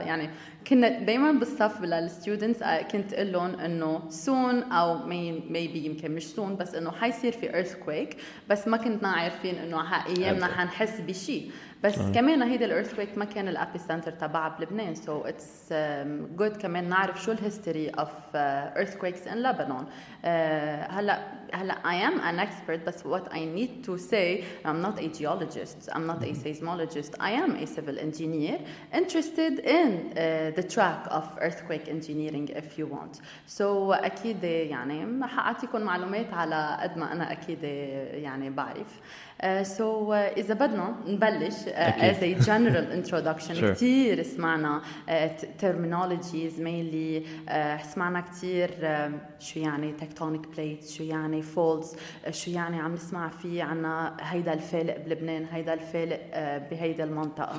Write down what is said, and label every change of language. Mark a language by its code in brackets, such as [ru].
[ar] يعني كنا دايما بالصف للستودنتس كنت اقول لهم انه soon او maybe يمكن مش soon, بس انه حيصير في earthquake, بس ما كنتنا عارفين انه ها ايامنا حنحس بشي. بس كمان هيدا الearthquake ما كان الابي سنتر تبعه بلبنان, [en] so it's good [ar] كمان نعرف شو الهيستوري [en] of earthquakes in Lebanon. هلأ I am an expert, but what I need to say, I'm not a geologist, I'm not a seismologist, I am a civil engineer interested in the track of earthquake engineering, if you want. [ar] So أكيد يعني حأعطيكم معلومات على قد ما أنا أكيد يعني بعرف. إذا بدنا نبلش [en] as a general introduction. Sure. [ar] كتير سمعنا terminologies, mainly سمعنا كتير شو يعني tectonic plates, شو يعني faults, شو يعني عم نسمع فيه عنا هيدا الفالق بلبنان, هيدا الفالق بهيدا المنطقة,